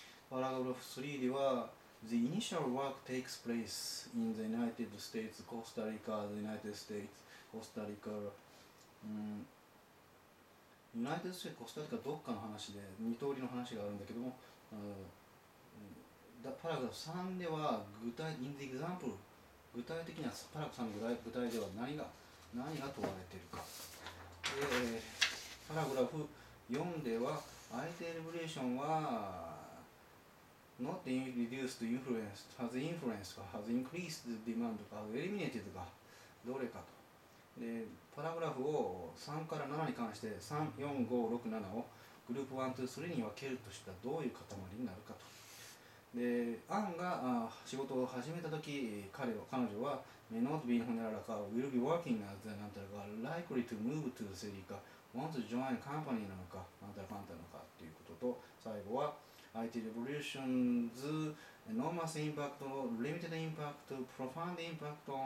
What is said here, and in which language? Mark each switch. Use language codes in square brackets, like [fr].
[ja] パラグラフ3では、 [en] The initial work takes place in the United States, Costa Rica, [ja] the United States, Costa Rica、United States, Costa Rica どっかの話で、二通りの話があるんだけども、パラグラフ3では、 [en] In the example、 [ja] 具体的にはパラグラフ3の具体では何が問われているか。で、パラグラフ4では、IT revolution は、 [en] not reduced influence, has influenced, has increased the demand, has eliminated, [ja] かどれかと。で、パラグラフを3から7に関して、3、4、5、6、7をグループ1、2、3に分けるとしたらどういう塊になるかと。で、アンが仕事を始めたとき、彼女は、 [en] May not be honorable [ja] か、 [en] will be working as the [ja] なんたらか、 [en] likely to move to the city [ja] か、 [en] want to join a company [ja] なのか、なんたらかんたらのかっていうことと、最後は、 [en] IT revolutions, enormous impact, limited impact, profound impact,